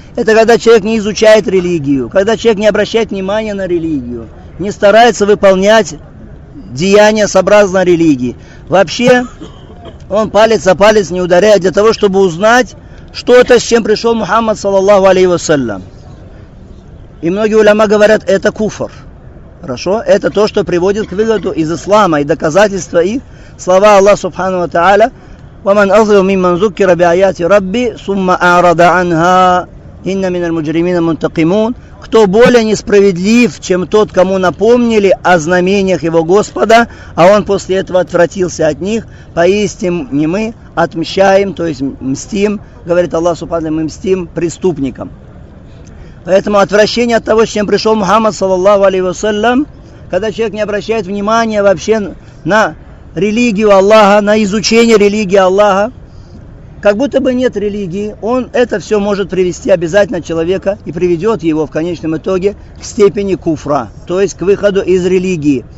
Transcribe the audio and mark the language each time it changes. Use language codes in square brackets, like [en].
[ru] Это когда человек не изучает религию, когда человек не обращает внимания на религию, не старается выполнять деяния сообразно религии. Вообще, он палец о палец не ударяет для того, чтобы узнать, что это, с чем пришел Мухаммад, саллаллаху алейхи вассалям. И многие уляма говорят, это куфр. Хорошо? Это то, что приводит к выгоду из ислама и доказательства их. Слова Аллаха Субхану ва Тааля: [ar] وَمَنْ أَظْلَمُ مِمَّنْ ذُكِّرَ بِآيَاتِ رَبِّهِ ثُمَّ أَعْرَضَ عَنْهَا إِنَّ مِنَ الْمُجْرِمِينَ مُنْتَقِمُونَ. [ru] Кто более несправедлив, чем тот, кому напомнили о знамениях его Господа, а он после этого отвратился от них, поистине мы отмщаем, то есть мстим, говорит Аллах Субхану, мы мстим преступникам. Поэтому отвращение от того, с чем пришел Мухаммад, саллаллаху алейхи вассалям, когда человек не обращает внимания вообще на религию Аллаха, на изучение религии Аллаха, как будто бы нет религии, он это все может привести обязательно человека и приведет его в конечном итоге к степени куфра, то есть к выходу из религии.